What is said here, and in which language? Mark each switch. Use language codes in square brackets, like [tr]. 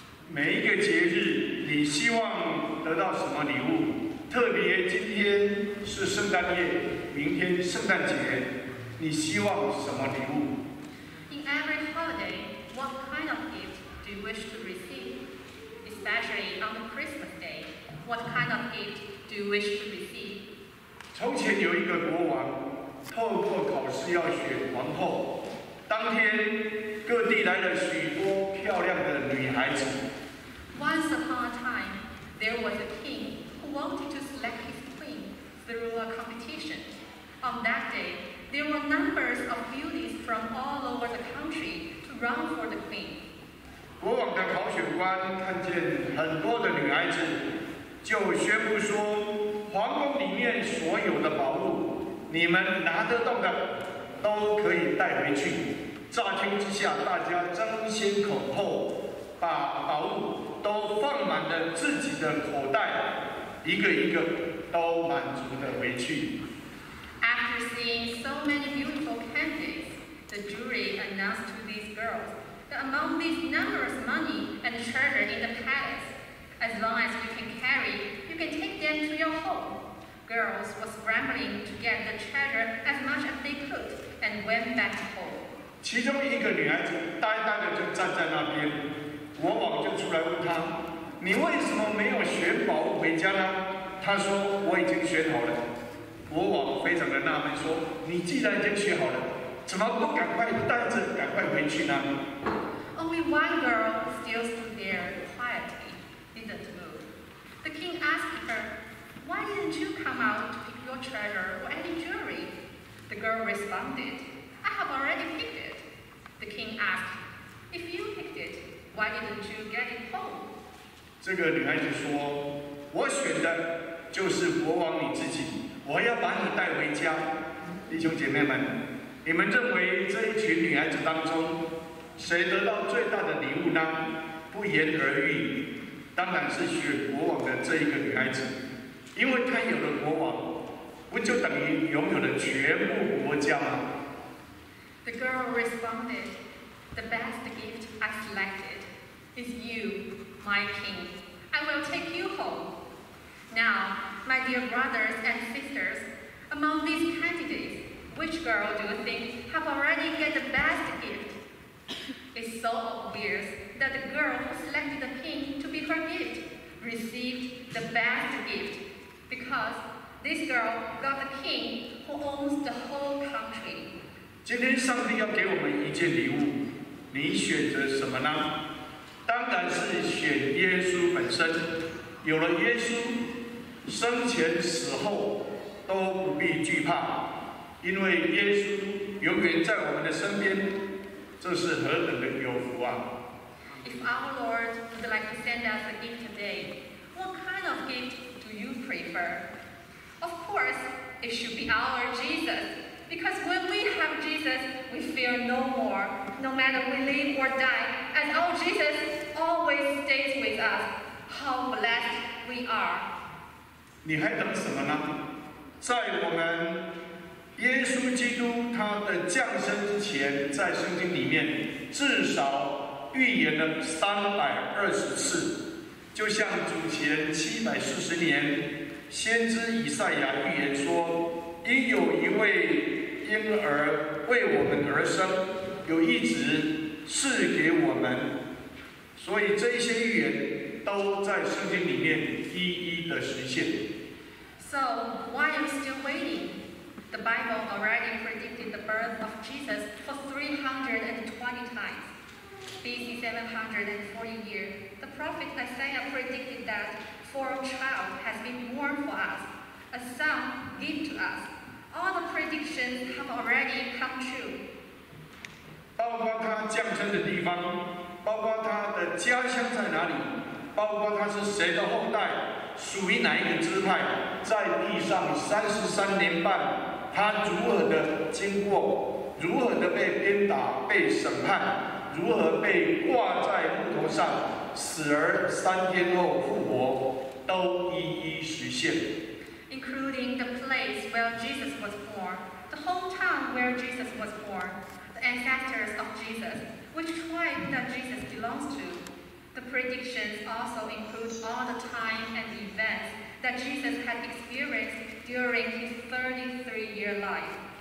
[zh] 每一个节日，你希望得到什么礼物？特别今天是圣诞夜，明天圣诞节，你希望什么礼物？ [en] In every holiday, what kind of gift do you wish to receive? Especially on the Christmas day, what kind of gift do you wish to receive? [zh] 从前有一个国王，透过考试要选王后，当天各地来了许多漂亮的女孩子。 [en] Once upon a time, there was a king who wanted to select his queen through a competition. On that day, there were numbers of beauties from all over the country to run for the queen. [zh] 国王的考选官看见很多的女孩子，就宣布说，皇宫里面所有的宝物，你们拿得动的都可以带回去。乍听之下，大家争先恐后，把宝物都放满了自己的口袋，一个一个都满足的回去。 [en] After seeing so many beautiful candies, the jury announced to these girls that among these numerous money and treasure in the palace, as long as you can carry, you can take them to your home. Girls were scrambling to get the treasure as much as they could and went back home. [zh] 其中一个女孩子呆呆地就站在那边，国王就出来问她，你为什么没有选宝物回家呢？她说，我已经选好了。国王非常的纳闷，说：“你既然已经学好了，怎么不赶快带着赶快回去呢？” [en] Only one girl still stood there quietly, didn't move. The king asked her, "Why didn't you come out to pick your treasure or any jewelry?" The girl responded, "I have already picked it." The king asked, "If you picked it, why didn't you get it home?" [zh] 这个女孩子说：“我选的就是国王你自己。” 我要把你带回家，弟兄姐妹们，你们认为这一群女孩子当中，谁得到最大的礼物呢？不言而喻，当然是选国王的这一个女孩子，因为她有了国王，不就等于拥有了全部国家吗？ [en] The girl responded, "The best gift I selected is you, my king. I will take you home now." My dear brothers and sisters, among these candidates, which girl do you think have already get the best gift? It's so obvious that the girl who selected the king to be her gift received the best gift, because this girl got the king who owns the whole country. [zh] 今天上帝要给我们一件礼物，你选择什么呢？当然是选耶稣本身。有了耶稣，生前死后都不必惧怕，因为耶稣永远在我们的身边，这是何等的有福啊！ [en] If our Lord would like to send us a gift today, what kind of gift do you prefer? Of course, it should be our Jesus, because when we have Jesus, we fear no more, no matter we live or die, as our Jesus always stays with us. How blessed we are! [zh] 你还等什么呢？在我们耶稣基督他的降生之前，在圣经里面至少预言了320次，就像主前740年，先知以赛亚预言说，因有一位婴儿为我们而生，有一子赐给我们。所以这些预言都在圣经里面一一的实现。 [en] So, why are you still waiting? The Bible already predicted the birth of Jesus for 320 times. B.C. 740 year, the prophet Isaiah predicted that for a child has been born for us, a son given to us. All the predictions have already come true. [zh] 包括他降生的地方，包括他的家乡在哪里，包括他是谁的后代，属于哪一个支派，在地上33年半，他如何的经过，如何的被鞭打、被审判，如何被挂在木头上，死而3天后复活，都一一实现。 [en] Including the place where Jesus was born, the hometown where Jesus was born, the ancestors of Jesus, which tribe that Jesus belongs to. The predictions also include all the time and events that Jesus had experienced during his 33-year life.